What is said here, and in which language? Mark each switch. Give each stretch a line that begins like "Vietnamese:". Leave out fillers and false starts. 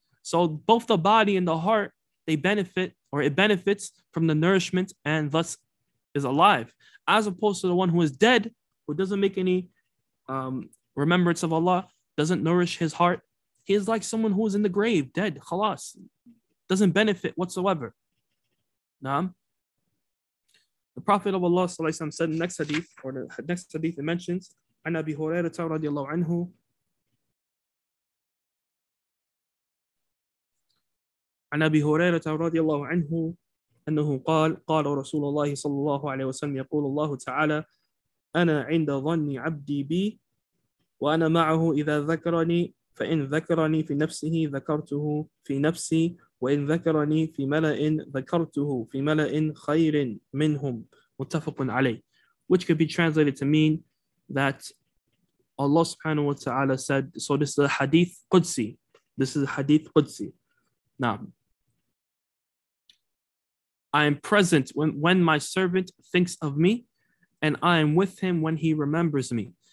English: So both the body and the heart, they benefit, or it benefits from the nourishment and thus is alive. As opposed to the one who is dead, who doesn't make any remembrance of Allah, doesn't nourish his heart. He is like someone who is in the grave, dead, khalas. Doesn't benefit whatsoever. Naam. The Prophet of Allah sallallahu alayhi wa sallam said in the next hadith, or the next hadith it mentions,
Arabic: عن أبي هريرة رضي الله عنه, عن أبي هريرة رضي الله عنه, أنه قال, قال رسول الله صلى الله عليه وسلم, يقول الله تعالى, أنا عند ظن عبدي بي, وأنا معه إذا ذكرني, فإن ذكرني في نفسه ذكرته في نفسي, وإن ذكرني في ملأ ذكرته في ملأ خير منهم. متفق عليه.
English: Which could be translated to mean that Allah subhanahu wa ta'ala said, so this is a hadith Qudsi, This is a hadith Qudsi. Naam. I am present when my servant thinks of me, and I am with him when he remembers me.